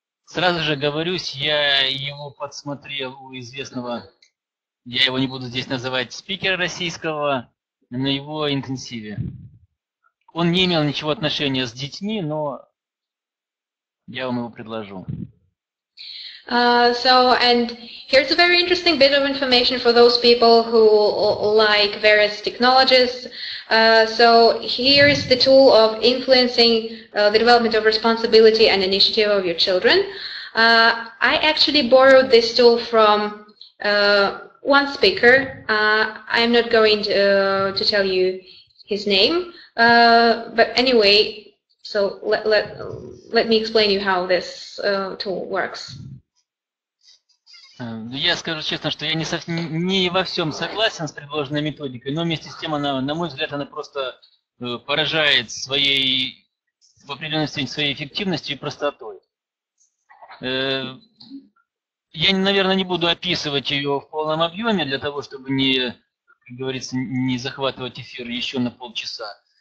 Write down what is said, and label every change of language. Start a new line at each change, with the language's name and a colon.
Russian: Сразу же говорюсь, я его подсмотрел у известного, я его не буду здесь называть, спикера российского, на его интенсиве. Он не имел ничего отношения с детьми, но я вам его предложу.
English: So, and here's a very interesting bit of information for those people who like various technologies. So, here is the tool of influencing the development of responsibility and initiative of your children. I actually borrowed this tool from one speaker. I'm not going to tell you his name. But anyway, so let me explain you how this tool works.
Russian: Я скажу честно, что я не во всем согласен с предложенной методикой, но вместе с тем, она, на мой взгляд, она просто поражает своей, в определенной степени, своей эффективностью и простотой. Я, наверное, не буду описывать ее в полном объеме для того, чтобы не, как говорится, не захватывать эфир еще на полчаса.